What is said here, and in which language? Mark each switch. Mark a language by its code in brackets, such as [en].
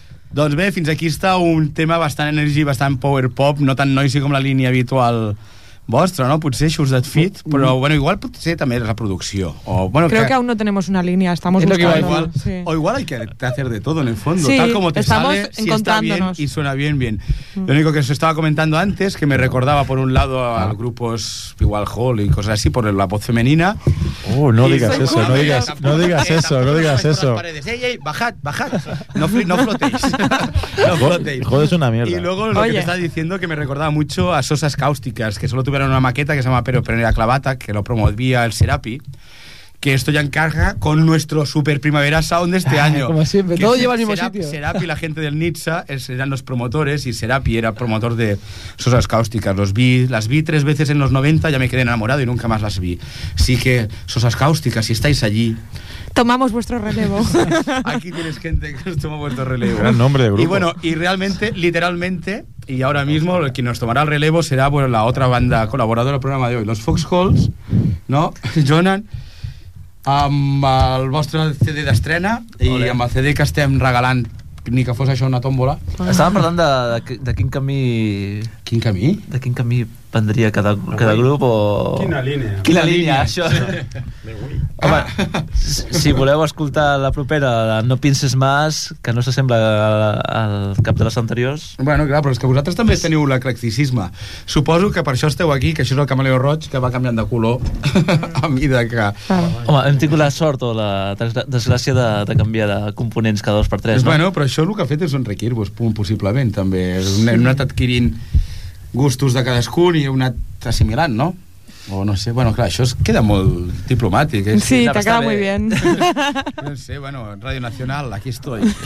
[ca] Doncs bé, fins aquí està un tema bastant energy, bastant power pop, no tan noisy com la línia habitual vostra, no? Potser Shoes That Fit, però bueno, igual potser també la producció. O, bueno, [es] creo que aún no tenemos una línea, estamos buscando. Igual, sí. O igual hay que hacer de todo en el fondo, sí, tal como te estamos sale, si está bien y suena bien, bien. Lo único que os estaba comentando antes, que me recordaba por un lado a grupos igual Hall y cosas así, por la voz femenina. No digas eso, no digas, no digas eso, no digas eso. Ey, ey, bajad, bajad. No, no flotéis. No flotéis. Joder, es una mierda. Y luego lo que te estaba diciendo, que me recordaba mucho a Sosas Cáusticas, que solo tuve en una maqueta que se llama Pero Prenera Clavata, que lo promovía el Serapi, que esto ya encarga con nuestro Super Primavera Sound de este año. Como siempre, todo lleva al mismo sitio. Serapi, la gente del Nitsa, eran los promotores, y Serapi era promotor de Sosas Cáusticas. Las vi tres veces en los 90, ya me quedé enamorado y nunca más las vi. Así que, Sosas Cáusticas, si estáis allí, tomamos vuestro relevo. Aquí tienes gente que nos toma vuestro relevo. Gran nombre de grupo. Y bueno, y realmente, literalmente, y ahora mismo, quien nos tomará el relevo será, bueno, la otra banda colaboradora del programa de hoy, los Foxholes, ¿no? [ca] Jonan, amb el vostre CD d'estrena i amb el CD que estem regalant, ni que fos això una tòmbola. Estàvem parlant de quin camí... Quin camí? De quin camí prendria cada grup o... Quina línia, això. Home, si voleu escoltar la propera, No pinces más, que no s'assembla al cap de les anteriors... Bueno, clar, però és que vosaltres també teniu l'eclecticisme. Suposo que per això esteu aquí, que això és el camaleó roig, que va canviant de color a mida que... Home, hem tingut la sort o la desgràcia de canviar de components cada dos per tres, no? Bueno, però això el que ha fet és enriquir-vos, possiblement, també. Hem anat adquirint gustos de cadascun i heu anat assimilant, no? O no sé, bueno, clar, això queda molt diplomàtic. Eh? Sí, t'ha quedat molt bé. [es] No sé, bueno, Radio Nacional, aquí estoy.